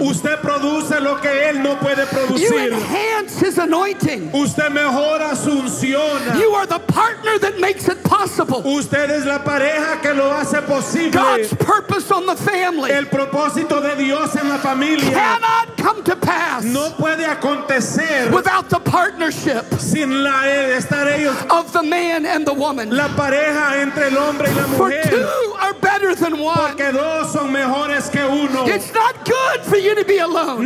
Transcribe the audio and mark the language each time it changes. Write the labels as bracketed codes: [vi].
[es] Usted produce lo que él no puede producir. [en] You enhance his anointing. [es] Usted mejora su unción. [en] You are the partner that makes it possible. [es] Usted es la pareja que lo hace posible. [en] God's purpose on the family. [es] El propósito de Dios en la familia. [en] Cannot come to pass. [es] No puede acontecer. [en] Without the partnership [es] sin la, estar ellos, [en] of the man and the woman. [es] La pareja entre el hombre y la mujer. [en] For two are better than one. [es] Porque dos son mejores que uno. [en] It's not good for you to be alone.